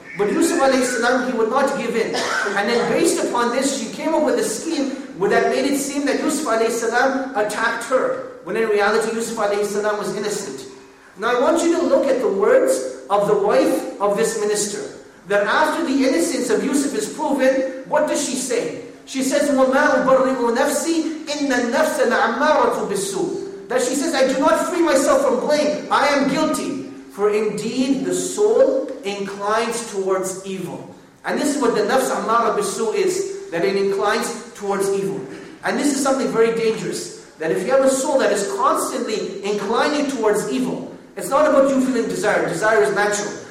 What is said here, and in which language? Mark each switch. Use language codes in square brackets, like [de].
[en] But Yusuf alayhi salam, he would not give in. And then based upon this, she came up with a scheme that made it seem that Yusuf alayhi salam attacked her. when in reality Yusuf alayhi salam was innocent. Now I want you to look at the words of the wife of this minister. That after the innocence of Yusuf is proven, what does she say? She says, [ar] وَمَا أُبَرِّئُ نَفْسِي إِنَّ النَّفْسَ لَعَمَّارَةُ بِالسُّوءِ. [en] That she says, I do not free myself from blame. I am guilty. For indeed the soul inclines towards evil. And this is what the nafs amara bisu is, that it inclines towards evil. And this is something very dangerous. That if you have a soul that is constantly inclining towards evil, it's not about you feeling desire. Desire is natural.